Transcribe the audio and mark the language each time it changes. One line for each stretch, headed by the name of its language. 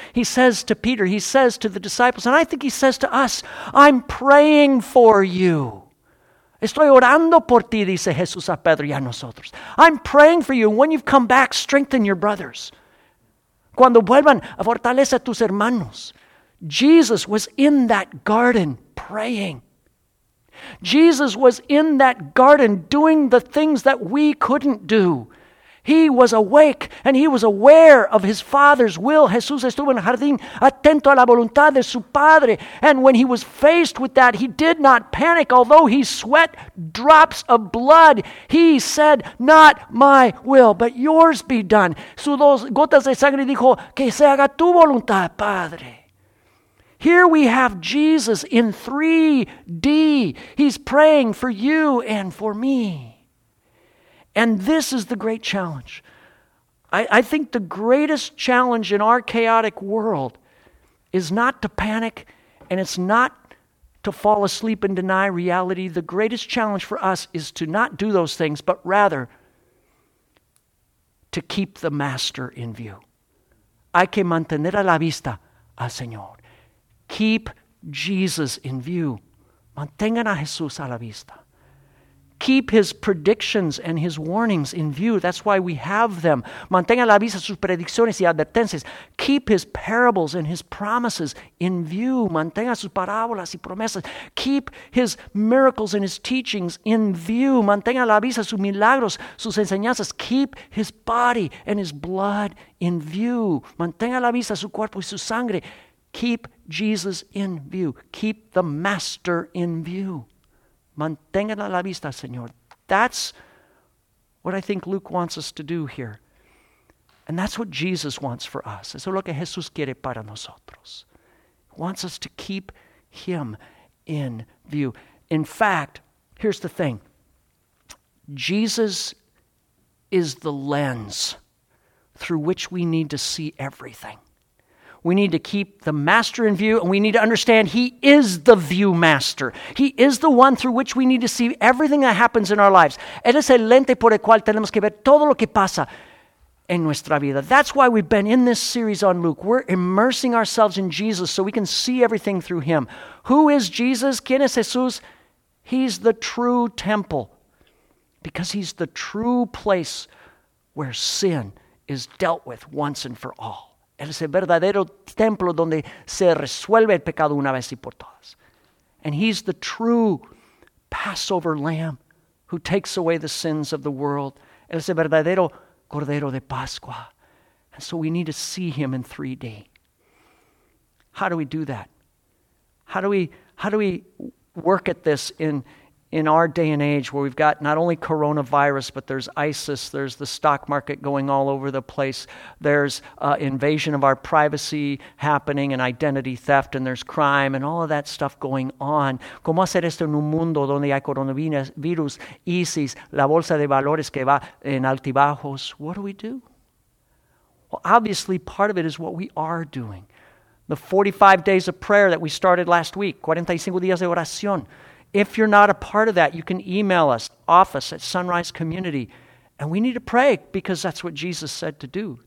English: He says to Peter, he says to the disciples, and I think he says to us, I'm praying for you.
Spanish: Estoy orando por ti, dice Jesús a Pedro y a nosotros.
English: I'm praying for you. When you've come back, strengthen your brothers.
Spanish: Cuando vuelvan, fortalece a tus hermanos.
English: Jesus was in that garden praying. Jesus was in that garden doing the things that we couldn't do. He was awake and he was aware of his Father's will.
Spanish: Jesús estuvo en el jardín atento a la voluntad de su Padre.
English: And when he was faced with that, he did not panic. Although he sweat drops of blood, he said, not my will, but yours be done.
Spanish: Sudó gotas de sangre y dijo, que se haga tu voluntad, Padre.
English: Here we have Jesus in 3D. He's praying for you and for me. And this is the great challenge. I think the greatest challenge in our chaotic world is not to panic, and it's not to fall asleep and deny reality. The greatest challenge for us is to not do those things, but rather to keep the master in view.
Spanish: Hay que mantener a la vista al Señor.
English: Keep Jesus in view.
Spanish: Mantengan a Jesús a la vista.
English: Keep his predictions and his warnings in view. That's why we have them.
Spanish: Mantengan a la vista sus predicciones y advertencias.
English: Keep his parables and his promises in view.
Spanish: Mantengan sus parábolas y promesas.
English: Keep his miracles and his teachings in view.
Spanish: Mantengan a la vista sus milagros, sus enseñanzas.
English: Keep his body and his blood in view.
Spanish: Mantengan a la vista su cuerpo y su sangre.
English: Keep Jesus in view. Keep the master in view.
Spanish: Mantengan a la vista, Señor.
English: That's what I think Luke wants us to do here. And that's what Jesus wants for us.
Spanish: Eso es lo que Jesús quiere para nosotros.
English: He wants us to keep him in view. In fact, here's the thing. Jesus is the lens through which we need to see everything. We need to keep the master in view, and we need to understand he is the view master. He is the one through which we need to see everything that happens in our lives.
Spanish: Él es el lente por el cual tenemos que ver todo lo que pasa en nuestra vida.
English: That's why we've been in this series on Luke. We're immersing ourselves in Jesus so we can see everything through him. Who is Jesus?
Spanish: ¿Quién es Jesús?
English: He's the true temple because he's the true place where sin is dealt with once and for all.
Spanish: Él es el verdadero templo donde se resuelve el pecado una vez y por todas.
English: And he's the true Passover lamb who takes away the sins of the world.
Spanish: Él es el verdadero cordero de Pascua.
English: And so we need to see him in 3D. How do we do that? How do we work at this in our day and age where we've got not only coronavirus, but there's ISIS, there's the stock market going all over the place, there's invasion of our privacy happening and identity theft, and there's crime and all of that stuff going on.
Spanish: ¿Cómo hacer esto en un mundo donde hay coronavirus, ISIS, la bolsa de valores que va en altibajos?
English: What do we do? Well, obviously, part of it is what we are doing. The 45 days of prayer that we started last week,
Spanish: 45 días de oración.
English: If you're not a part of that, you can email us, office@sunrisecommunity.com. And we need to pray because that's what Jesus said to do.